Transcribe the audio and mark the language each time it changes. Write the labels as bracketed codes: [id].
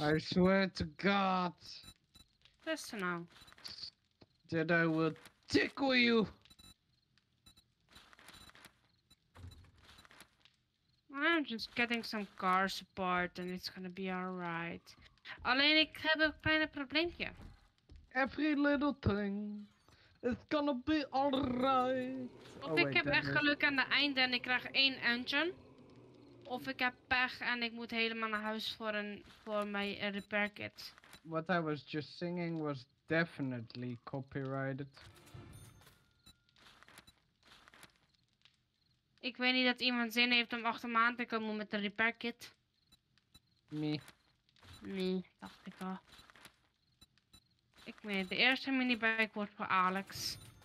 [en] I swear to God. Listen now. That I will tickle you. I'm just getting some cars apart and it's gonna be alright. [nl] Alleen ik heb een klein probleempje. [en] Every little thing is gonna be alright. [nl] Of ik heb echt geluk aan de einde en ik krijg 1 engine. Of ik heb pech en ik moet helemaal naar huis voor mijn repair kit. [en] What I was just singing was definitely copyrighted. [nl] Ik weet niet dat iemand zin heeft om achter me aan te komen met een repair kit. Nee. Nee, dacht ik al. Ik weet het, de eerste minibike wordt voor Alex.